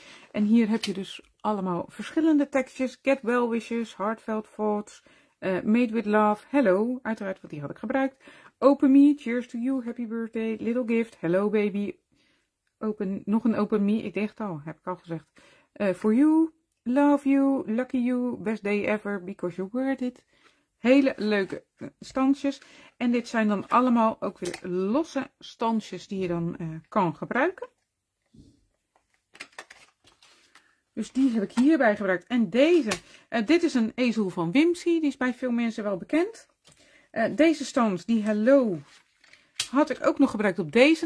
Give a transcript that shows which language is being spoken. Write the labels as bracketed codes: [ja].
[nl] En hier heb je dus allemaal verschillende tekstjes. [en] Get Well Wishes, Heartfelt Thoughts, Made With Love, Hello. [nl] Uiteraard, want die had ik gebruikt. [en] Open Me, Cheers to You, Happy Birthday, Little Gift, Hello Baby. [nl] Open, nog een Open Me, ik dacht al, heb ik al gezegd. [en] For You. Love you, lucky you, best day ever, because you're worth it. [nl] Hele leuke stansjes. En dit zijn dan allemaal ook weer losse stansjes die je dan kan gebruiken. Dus die heb ik hierbij gebruikt. En deze, dit is een ezel van Wimsy. Die is bij veel mensen wel bekend. Deze stans, die Hello, had ik ook nog gebruikt op deze.